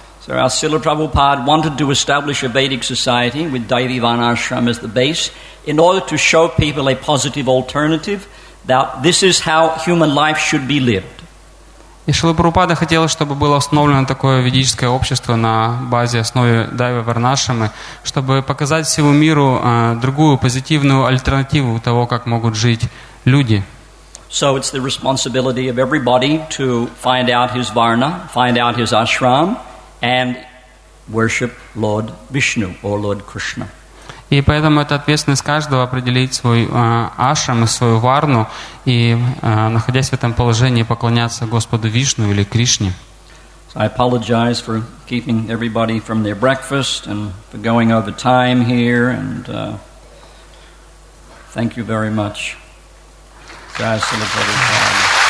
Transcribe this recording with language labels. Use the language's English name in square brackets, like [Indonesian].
[English] So our Srila Prabhupada wanted to establish a Vedic society with Daivivanashram as the base in order to show people a positive alternative. That this is how human life should be lived. [Russian] Шрила Прабхупада хотел, чтобы было установлено такое ведическое общество на базе основы Дайва Варнашамы, чтобы показать всему миру другую позитивную альтернативу того, как могут жить люди. [English] So it's the responsibility of everybody to find out his varna, find out his ashram, and worship Lord Vishnu or Lord Krishna. [Russian] И поэтому это ответственность каждого определить свой ашрам и свою варну и, находясь в этом положении, поклоняться Господу Вишну или Кришне. [English] So I apologize for keeping everybody from their breakfast and for going over time here. And thank you very much. Jai Sri Prabhupada.